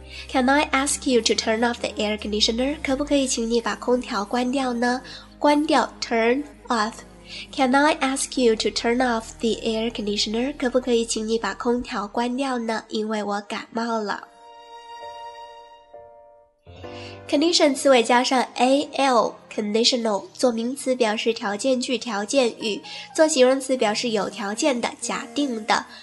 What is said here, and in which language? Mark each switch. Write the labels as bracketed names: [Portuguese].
[English] Can I ask you to turn off the air conditioner? [Chinese] 可不可以请你把空调关掉呢？关掉 [English] turn off. Can I ask you to turn off the air conditioner? [Chinese] 可不可以请你把空调关掉呢？因为我感冒了。 Condition 词尾加上 al, conditional, 做名词表示条件句、条件语，做形容词表示有条件的、假定的。